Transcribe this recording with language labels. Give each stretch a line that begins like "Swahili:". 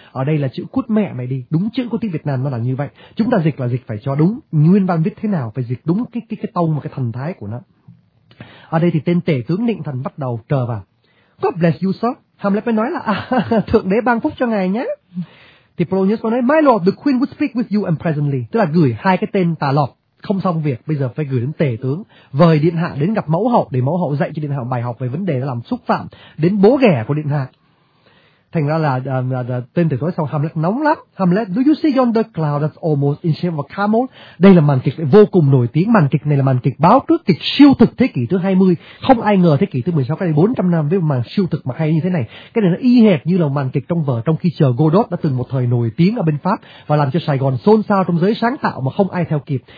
Vietnamese: Ở đây là chữ cút mẹ mày đi, đúng chữ của tiếng Việt Nam nó là như vậy. Chúng ta dịch là dịch phải cho đúng nguyên văn viết thế nào, phải dịch đúng cái tông và cái thần thái của nó. Ở đây thì tên tể tướng Định Thần bắt đầu trờ vào.
English: God bless you sir.
Vietnamese: Hamlet mới nói là thượng đế ban phúc cho ngài nhé. Thì Polonius mới nói,
English: my lord, the queen would speak with you and presently.
Vietnamese: Tức là gửi hai cái tên tà lọt, không xong việc, bây giờ phải gửi đến tể tướng, vời điện hạ đến gặp mẫu hậu, để mẫu hậu dạy cho điện hạ bài học về vấn đề làm xúc phạm đến bố ghẻ của điện hạ. Thành ra là tên tử tối sau Hamlet nóng lắm.
English: Hamlet, do you see yonder cloud that's almost in shape of a camel?
Vietnamese: Đây là màn kịch vô cùng nổi tiếng. Màn kịch này là màn kịch báo trước kịch siêu thực thế kỷ thứ 20. Không ai ngờ thế kỷ thứ 16 cách đây 400 năm với một màn siêu thực mà hay như thế này. Cái này nó y hệt như là màn kịch trong vở Trong Khi Chờ Godot đã từng một thời nổi tiếng ở bên Pháp và làm cho Sài Gòn xôn xao trong giới sáng tạo mà không ai theo kịp.